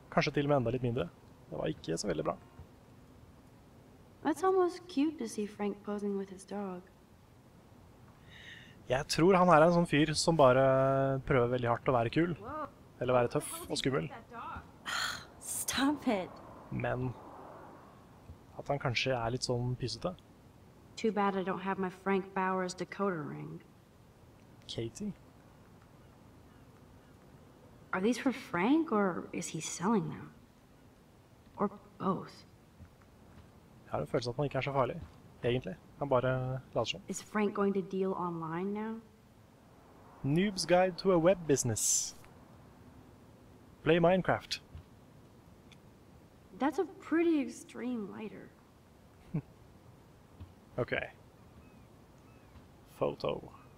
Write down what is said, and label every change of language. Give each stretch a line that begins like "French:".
Norwegian: Kanskje til og med enda litt mindre. Det var ikke så veldig bra.
English: That's almost cute to see Frank posing with his dog.
Norwegian: Jeg tror han en sånn fyr som bare prøver veldig hardt å være kul. Eller være tøff og skummel.
English: Stop it!
Norwegian: Men... At han kanskje litt sånn pysete.
English: Too bad I don't have my Frank Bauer's decoder ring. Katie? Are these for Frank, or is he selling them? Or both?
Norwegian: Jeg har en følelse at han ikke så farlig, egentlig. Han bare lader seg.
English: Is Frank going to deal online now? Noob's guide to a web business. Play Minecraft. That's a pretty extreme lighter. Okay. Photo.